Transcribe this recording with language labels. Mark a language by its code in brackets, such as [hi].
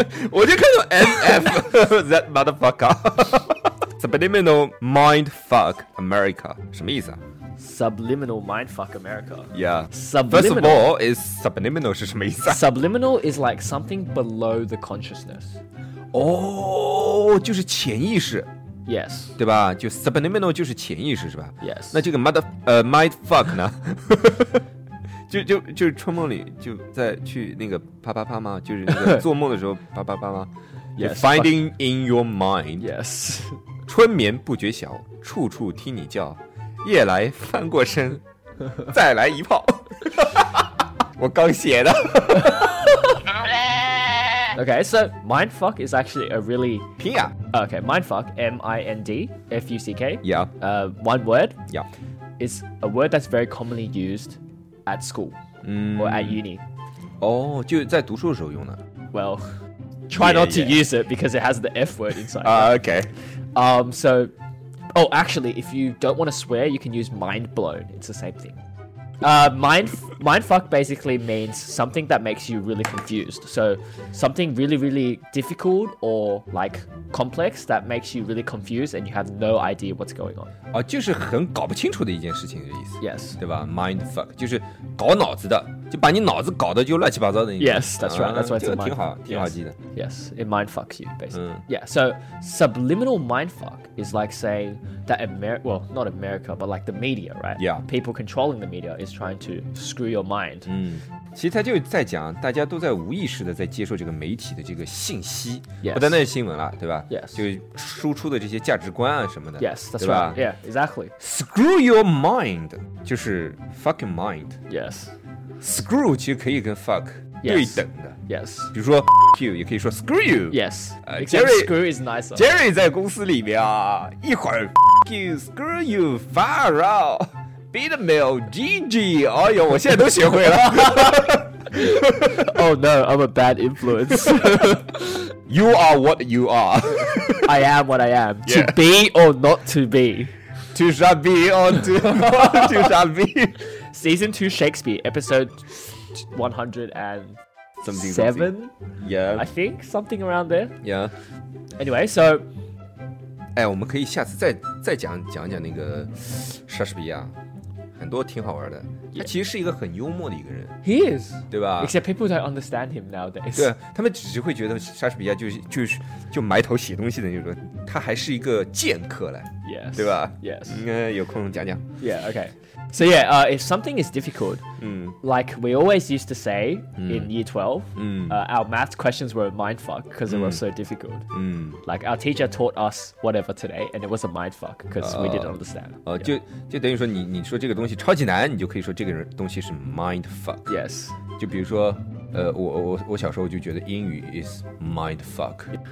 [zh] 我就看到 [en] MF that motherfucker. Subliminal mindfuck America [zh] 什么意思啊？ [en] Subliminal mindfuck America. Yeah. Subliminal. First of all, is subliminal [zh] 是什么意思？ [en] Subliminal is like something below the consciousness. [zh] Oh, 就是潜意识。 [en] Yes. [zh] 对吧？就 subliminal 就是潜意识是吧？ [en] Yes. [zh] 那这个 mindfuck 呢？就是春梦里就在去那个啪啪啪吗？就是那个做梦的时候啪啪啪吗？ [en] Yes. Finding in your mind. Yes. [zh] 春眠不觉晓，处处听你叫。夜来翻过身，再来一炮。我刚写的。 [en] Okay, so mindfuck is actually a really [zh] 拼呀。 [en] Okay, mindfuck, M-I-N-D-F-U-C-K. Yeah. One word. Yeah. It's a word that's very commonly used at school or at uni. [zh] Oh, 就在读书的时候用的。 [en] Well, try not to use it because it has the F word inside. Okay. So, oh, actually, if you don't want to swear, you can use mind blown. It's the same thing. Mind fuck basically means something that makes you really confused. So something really, really difficult or like complex that makes you really confused and you have no idea what's going on. [zh] 就是很搞不清楚的一件事情的意思。 [en] Yes. [zh] 对吧 ?Mind fuck. 就是搞脑子的。就把你脑子搞得就乱七八糟的。 [en] Yes, that's right. That's why it's a mind [zh] fuck. 挺好挺好记得。 [en] Yes, it mind fucks you, basically. Yeah, so subliminal mind fuck is like saying that America, well, not America, but like the media, right? Yeah. People controlling the media is trying to screw your mind. [zh] 其实他就在讲大家都在无意识的在接受这个媒体的这个信息。 [en] Yes. [zh] 不单单是新闻了对吧 [en] ?Yes. [zh] 就输出的这些价值观啊什么的。 [en] Yes, that's right. Yeah, exactly. Screw your mind, [zh] 就是 [en] fucking mind. Yes. [zh] Screw 其实可以跟 fuck 对等的 [en] yes, [zh] yes 比如说 [en] f*** you [zh] 也可以说 [en] screw you Yes Jerry screw is nicer [zh] Jerry 在公司里面啊一会儿 [en] f*** you screw you far out beat the mill GG [zh] 哎呦我现在都学会了 [en] Oh no I'm a bad influence You are what you are I am what I am、yeah. To be or not to be To shall be or to To shall be Season 2 Shakespeare, episode 107, yeah. I think, something around there. Yeah. Anyway, so... [zh] 哎，我们可以下次再讲那个莎士比亚，很多挺好玩的。他其实是一个很幽默的一个人。 [en] He is. [zh] 对吧 [en] ?Except people don't understand him nowadays. [zh] 对，他们只会觉得莎士比亚就埋头写东西的那种，他还是一个剑客来。 [en] Yes. [zh] 对吧 [en] ?Yes. [zh] 应该有空讲讲。 [en] Yeah, okay. So yeah, if something is difficult, like we always used to say in year 12, our math questions were a mindfuck because they were so difficult. Like our teacher taught us whatever today and it was a mindfuck because we didn't understand. [zh] 就等于说你说这个东西超级难你就可以说这个东西是 mindfuck. [en] Yes. [zh] 就比如说我小时候就觉得英语 [en] is mindfuck.